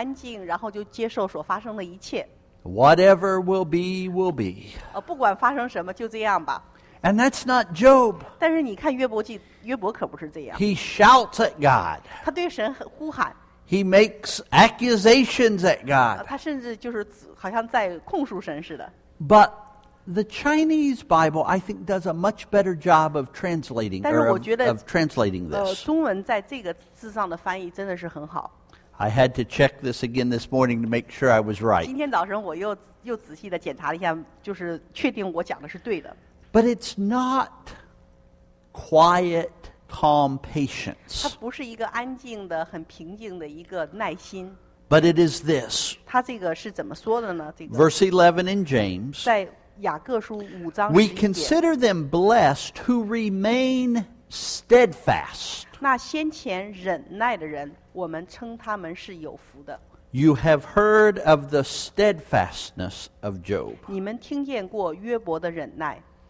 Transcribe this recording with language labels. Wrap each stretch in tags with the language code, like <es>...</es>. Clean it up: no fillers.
<zh>我就觉得一个有耐心的人呢，就是很安静，然后就接受所发生的一切。</zh> <en>Whatever will be, will be.</en> <zh>不管发生什么，就这样吧。</zh> <en>And that's not Job.</en> <zh>但是你看约伯可不是这样。</zh> <en>He shouts at God.</en> <zh>他对神呼喊。</zh> <en>He makes accusations at God.</en> <zh>他甚至就是好像在控诉神似的。</zh> <en>But the Chinese Bible, I think, does a much better job of translating, I had to check this again this morning to make sure I was right.</en> <zh>今天早上我又仔细地检查了一下，就是确定我讲的是对的。</zh> <en>But it's not quiet, calm patience.</en> <zh>它不是一个安静的、很平静的一个耐心。</zh> <en>But it is this.</en> <zh>他这个是怎么说的呢?</zh> <en>Verse 11 in James.</en> <zh>在雅各书五章十一节,</zh> <en>we consider them blessed who remain steadfast.</en> <zh>那先前忍耐的人, 我们称他们是有福的。</zh> <en>You have heard of the steadfastness of Job.</en> <zh>你们听见过约伯的忍耐。</zh>